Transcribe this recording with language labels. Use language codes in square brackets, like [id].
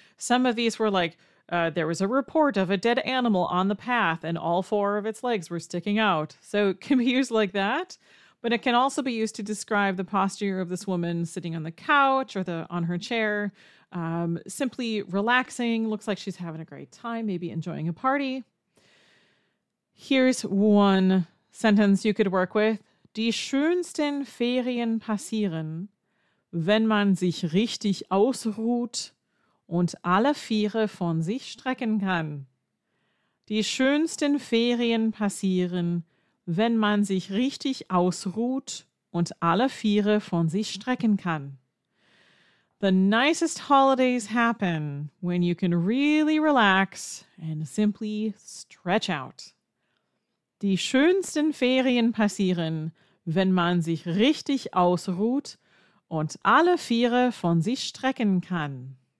[en] Some of these were like, there was a report of a dead animal on the path and all four of its legs were sticking out. So it can be used like that, but it can also be used to describe the posture of this woman sitting on the couch or on her chair, simply relaxing, looks like she's having a great time, maybe enjoying a party. Here's one sentence you could work with. [de] Die schönsten Ferien passieren, wenn man sich richtig ausruht und alle Viere von sich strecken kann. Die schönsten Ferien passieren, wenn man sich richtig ausruht und alle Viere von sich strecken kann. [en] The nicest holidays happen when you can really relax and simply stretch out. [de] Die schönsten Ferien passieren, wenn man sich richtig ausruht und alle Viere von sich strecken kann.